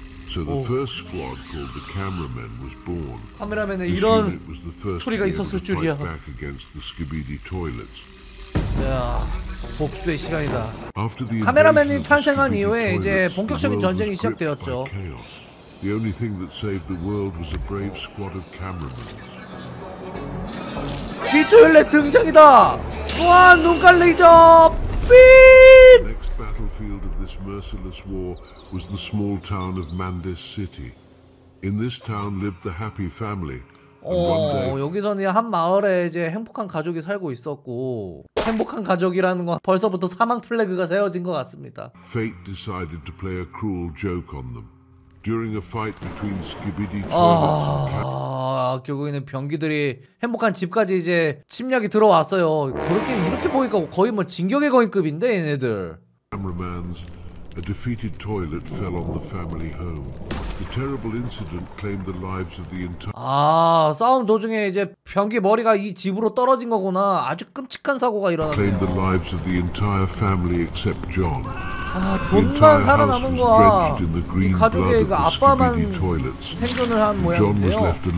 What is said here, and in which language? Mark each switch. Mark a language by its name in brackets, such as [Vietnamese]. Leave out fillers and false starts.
[English] So the first squad called the cameramen was born. [Korean] 카메라맨에 이런 소리가 있었을 줄이야. 야, 복수의 시간이다. 카메라맨이 탄생한 이후에 이제 본격적인 전쟁이 시작되었죠. [English] The only thing that saved the world was a brave squad of cameramen. [Korean] 쥐토일렛 등장이다. 우와, 눈깔 레이저. 삐! [English] The next battlefield of this merciless war was the small town of Mandis City. In this town lived the happy family. [Korean] 여기서는 한 마을에 이제 행복한 가족이 살고 있었고, 행복한 가족이라는 건 벌써부터 사망 플래그가 세워진 것 같습니다. [English] Fate decided to play a cruel joke on them. During a fight between Skibidi Toilets and Cat. [Korean] 결국에는 병기들이 행복한 집까지 이제 침략이 들어왔어요. 그렇게 이렇게 보니까 거의 뭐 진격의 거인급인데 얘네들. [English] Cameramans, a defeated toilet fell on the family home. The terrible incident claimed the lives of the entire. [Korean] 아, 싸움 도중에 이제 병기 머리가 이 집으로 떨어진 거구나. 아주 끔찍한 사고가 일어났네요. [English] Claimed the lives of the entire family except John. [Korean] 아, 존만 살아남은 거야. 이 가족의 그 아빠만 생존을 한 모양인데요.